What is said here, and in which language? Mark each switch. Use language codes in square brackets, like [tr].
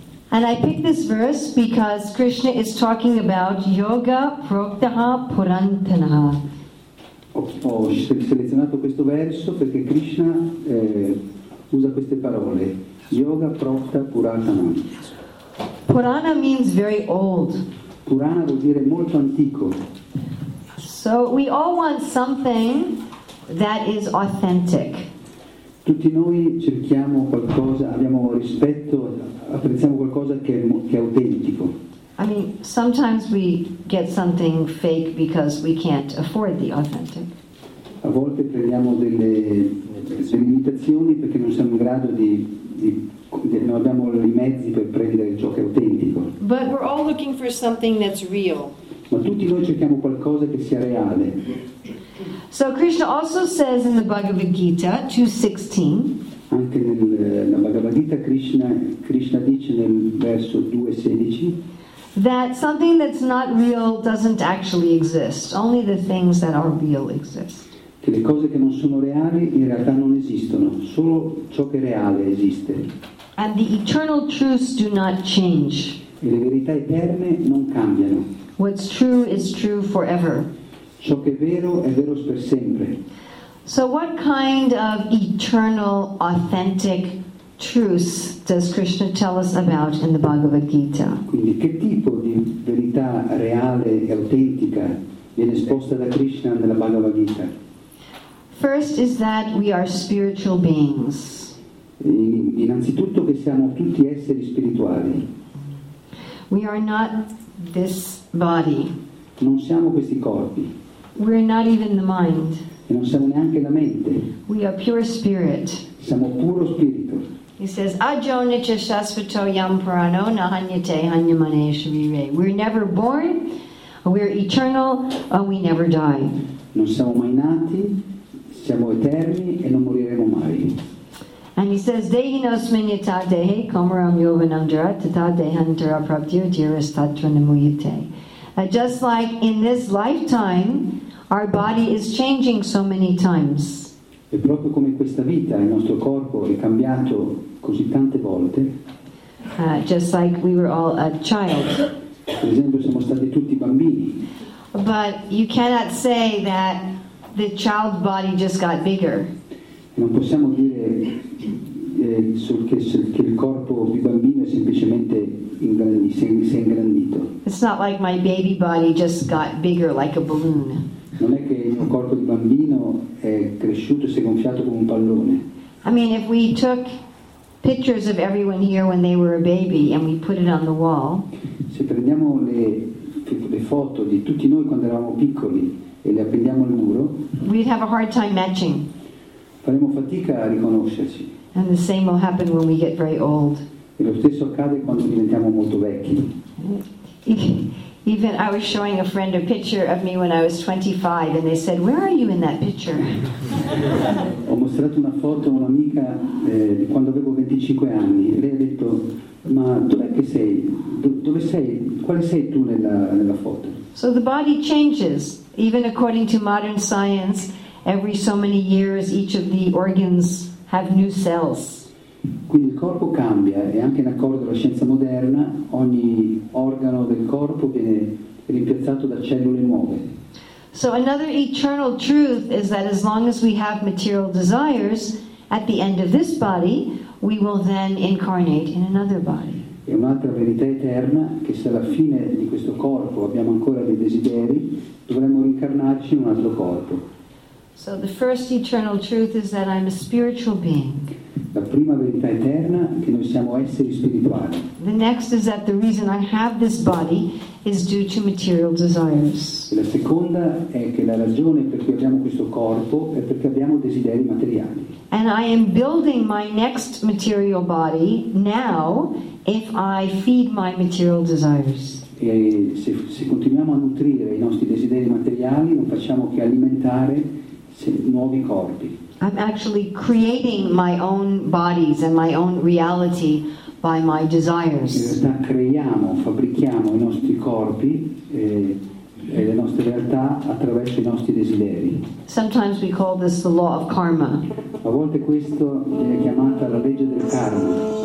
[en] And I pick this verse because Krishna is talking about [sa] yoga proktaha purantanaha. [it] Ho selezionato questo verso perché Krishna usa queste parole. [sa] Yoga prokta purantanaha. [en] Purana means very old. [it] Purana vuol dire molto antico. [en] So we all want something that is authentic. [it] Tutti noi cerchiamo qualcosa, abbiamo rispetto, apprezziamo qualcosa che è autentico. [en] I mean, sometimes we get something fake because we can't afford the authentic. [it] A volte prendiamo delle imitazioni perché non siamo in grado di non abbiamo i mezzi per prendere ciò che è autentico. [en] But we're all looking for something that's real. [it] Ma tutti noi cerchiamo qualcosa che sia reale. [en] So Krishna also says in the Bhagavad Gita 2:16. [it] Anche nella Bhagavad Gita Krishna dice nel verso 2:16 [en] that something that's not real doesn't actually exist. Only the things that are real exist. [it] Che le cose che non sono reali in realtà non esistono. Solo ciò che è reale esiste. [en] And the eternal truths do not change. [it] E le verità eterne non cambiano. [en] What's true is true forever. [it] Ciò che è vero per sempre. [en] So what kind of eternal, authentic truths does Krishna tell us about in the Bhagavad Gita? [it] Quindi che tipo di verità reale e autentica viene esposta da Krishna nella Bhagavad Gita? [en] First is that we are spiritual beings. [it] Innanzitutto che siamo tutti esseri spirituali. [en] We are not this body. [it] Non siamo questi corpi. [en] We're not even the mind. [it] E non siamo neanche la mente. [en] We are pure spirit. [it] Siamo puro spirito. [en] He says, [sa] Ajo nicha shasvato yam prano na hanyate hanyamane shavire. [en] We're never born, we're eternal, and we never die. [it] Non siamo mai nati, siamo eterni e non moriremo mai. [en] And he says, [sa] Dehino smenyata dehe komaram yovanandara tata dehantara praptyo dhirastatra namuyate. [en] Just like in this lifetime, our body is changing so many times. [it] E proprio come in questa vita il nostro corpo è cambiato così tante volte. [en] Just like we were all a child. [it] Per esempio, siamo stati tutti bambini. [en] But you cannot say that the child body just got bigger. [it] E non possiamo dire che il corpo di bambino è semplicemente ingrandito. [en] It's not like my baby body just got bigger like a balloon. [it] Non è che il mio corpo di bambino è cresciuto e si è gonfiato come un pallone. [en] I mean, if we took pictures of everyone here when they were a baby and we put it on the wall. [it] Se prendiamo le foto di tutti noi quando eravamo piccoli e le appendiamo al muro. [en] We'd have a hard time matching. [it] Faremo fatica a riconoscerci. [en] And the same will happen when we get very old. [it] E lo stesso accade quando diventiamo molto vecchi. [en] Even I was showing a friend a picture of me when I was 25 and they said, "Where are you in that picture?" [it] Ho mostrato una foto a un'amica di quando avevo 25 anni e lei ha detto, "Ma dov'è che sei? Dove sei? Quale sei tu nella foto?" [en] So the body changes, even according to modern science, every so many years each of the organs have new cells. [it] Quindi il corpo cambia e anche in accordo alla scienza moderna ogni organo del corpo viene rimpiazzato da cellule nuove. [en] So another eternal truth is that as long as we have material desires, at the end of this body, we will then incarnate in another body. [it] È un'altra verità eterna che se alla fine di questo corpo abbiamo ancora dei desideri, dovremo reincarnarci in un altro corpo. [en] So the first eternal truth is that I'm a spiritual being. [it] La prima verità eterna è che noi siamo esseri spirituali. [en] The next is that the reason I have this body is due to material desires. [it] E la seconda è che la ragione per cui abbiamo questo corpo è perché abbiamo desideri materiali. [en] And I am building my next material body now if I feed my material desires. [it] E se continuiamo a nutrire i nostri desideri materiali, non facciamo che alimentare nuovi corpi. [en] I'm actually creating my own bodies and my own reality by my desires. [it] In realtà creiamo, fabbrichiamo i nostri corpi e le nostre realtà attraverso i nostri desideri. [en] Sometimes we call this the law of karma. [it] A volte questo viene chiamata la legge del karma.